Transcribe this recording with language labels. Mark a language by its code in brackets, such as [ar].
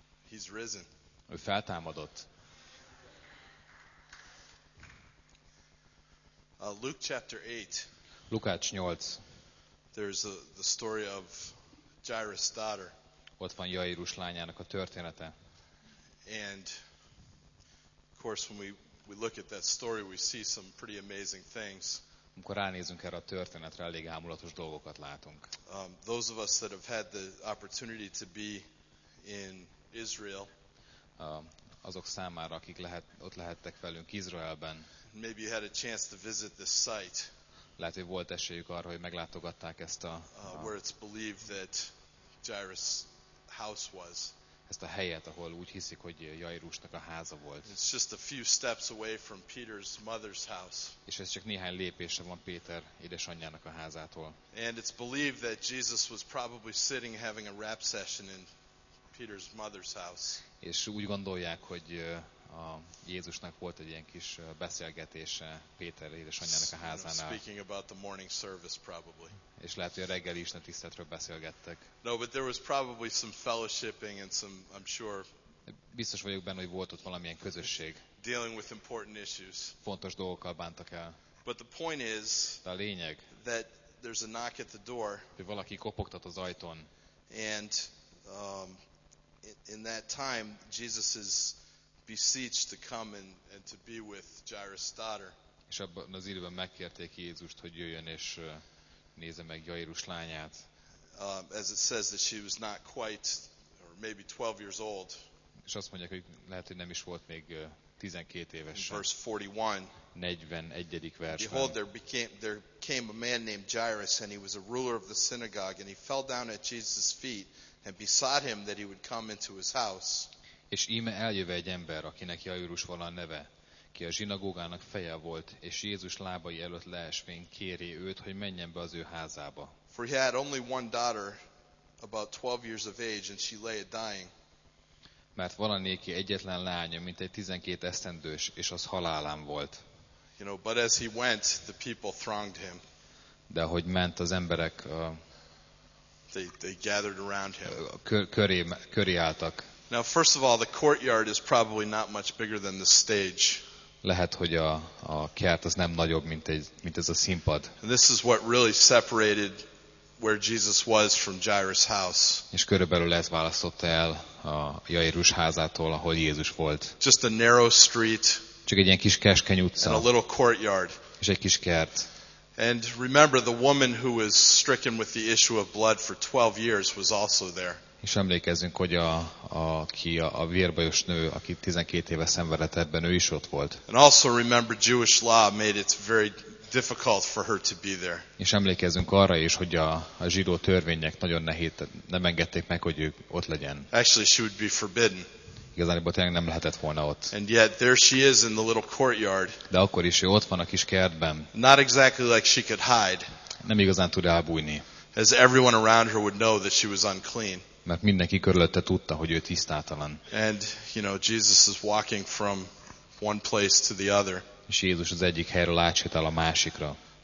[en] He's risen. [hu] Ő feltámadott. [en] Luke chapter 8. [hu] Lukács 8. [en] There's the story of Jairus' daughter. [hu] Ott van Jairus lányának a története. [en] And of course when we look at that story we see some pretty amazing things. [hu] Amikor ránézünk erre a történetre, elég ámulatos dolgokat látunk. [en] Those of us that have had the opportunity to be in Israel. [hu] Azok számára, akik ott lehettek velünk Izraelben. [en] Maybe you had a chance to visit this site. [hu] Lehet, hogy volt esélyük arra, hogy meglátogatták ezt a [en] where it's believed that Jairus house was. [hu] Ezt a helyet, ahol úgy hiszik, hogy Jairusnak a háza volt. [en] It's just a few steps away from Peter's mother's house. [hu] És ez csak néhány lépésre van Péter édesanyjának a házától. [en] And it's believed that Jesus was probably sitting having a rap session in Peter's mother's house. [hu] És úgy gondolják, hogy a Jézusnak volt egy ilyen kis beszélgetése Péter édesanyjának a házánál. [en] Speaking about the morning service probably. [hu] És lehet, hogy a reggeli istentiszteletről beszélgettek. [en] No, but there was probably some fellowshipping and some, I'm sure. [hu] Biztos vagyok benne, hogy volt ott valamilyen közösség. [en] Dealing with important issues. [hu] Fontos dolgokkal bántak el. [en] But the point is. [hu] De a lényeg. [en] That there's a knock at the door. [hu] Hogy valaki kopogtat az ajtón. [en] And in that time Jesus is beseeched to come and to be with Jairus' daughter. [hu] És abban az időben megkérték Jézust, hogy jöjjön és nézze meg Jairus lányát. [en] As it says that she was not quite or maybe 12 years old. [hu] És azt mondják, hogy lehet, hogy nem is volt még 12 éves. [en] Verse 41. [hu] 41. versben. [en] Behold, there came a man named Jairus, and he was a ruler of the synagogue, and he fell down at Jesus' feet and besought him that he would come into his house. [hu] És íme eljöve egy ember, akinek Jairus volna a neve, ki a zsinagógának feje volt, és Jézus lábai előtt leesvén kéri őt, hogy menjen be az ő házába. [en] For he had only one daughter, about 12 years of age, and she lay dying. [hu] Mert valanéki egyetlen lánya, mint egy 12 esztendős, és az halálán volt. [en] You know, but as he went, the people thronged him. [hu] De ahogy ment az emberek, [en] they gathered around him. [hu] Köré álltak. [en] Now, first of all, the courtyard is probably not much bigger than the stage. [hu] Lehet, hogy a kert az nem nagyobb, mint ez a színpad. [en] And this is what really separated where Jesus was from Jairus' house. [hu] És körülbelül ez választotta el a Jairus házától, ahol Jézus volt. [en] Just a narrow street. [hu] Csak egy ilyen kis keskeny utca. [en] And a little courtyard. [hu] És egy kis kert. [en] And remember, the woman who was stricken with the issue of blood for 12 years was also there. [hu] És emlékezzünk, hogy a vérbajos nő, aki 12 éve szenvedett ebben, ő is ott volt. [en] And also remember Jewish law made it very difficult for her to be there. [hu] És emlékezzünk arra is, hogy a zsidó törvények nagyon nehéz, nem engedték meg, hogy ő ott legyen. [en] Actually she would be forbidden. [hu] Igazából tényleg nem lehetett volna ott. [en] And yet there she is in the little courtyard. [hu] De akkor is ő ott van a kis kertben. [en] Not exactly like she could hide. [hu] Nem igazán tud elbújni. [en] As everyone around her would know that she was unclean. [hu] Mert mindenki körülötte tudta, hogy ő tisztátalan. [en] And you know Jesus is walking from one place to the other. [hu] És Jézus az egyik helyről átsétál a másikra.